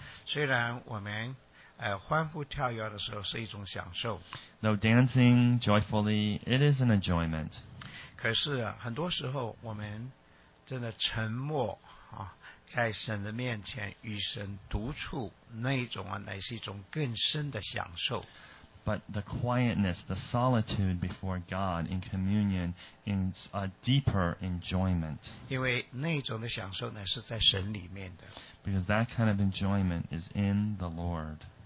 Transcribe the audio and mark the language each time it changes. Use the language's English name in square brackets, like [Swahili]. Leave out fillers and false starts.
[Chinese] 虽然我们、欢呼跳跃的时候是一种享受 [English] Though dancing joyfully, it is an enjoyment [Chinese] 可是、啊、很多时候我们真的沉默、啊、在神的面前与神独处那一种、啊、乃是一种更深的享受 [English] But the quietness, the solitude before God in communion is a deeper enjoyment. [Chinese] 因为那种的享受呢是在神里面的。 [English] Because that kind of enjoyment is in the Lord.